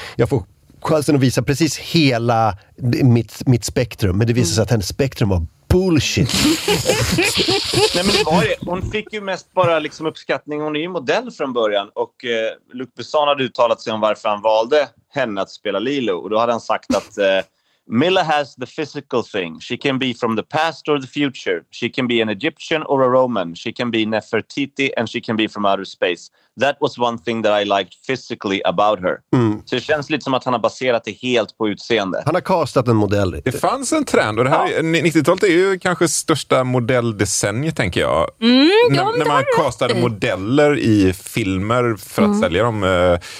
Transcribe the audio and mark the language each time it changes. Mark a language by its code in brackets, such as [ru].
[sv] Jag får chansen att visa precis hela mitt spektrum, men det visar sig att hennes spektrum var bullshit. Nej, men det var det. Hon fick ju mest bara liksom uppskattning. Hon är ju modell från början. Och Luc Besson hade uttalat sig om varför han valde henne att spela Lilo. Och då hade han sagt att Mila [en] has the physical thing. She can be from the past or the future. She can be an Egyptian or a Roman. She can be Nefertiti and she can be from outer space. That was one thing that I liked physically about her. Mm. [sv] Så det känns lite som att han har baserat det helt på utseende. Han har castat en modell. Det fanns en trend och det här 90-talet är ju kanske största modelldecennium tänker jag. Mm, när man castade modeller i filmer för att sälja dem.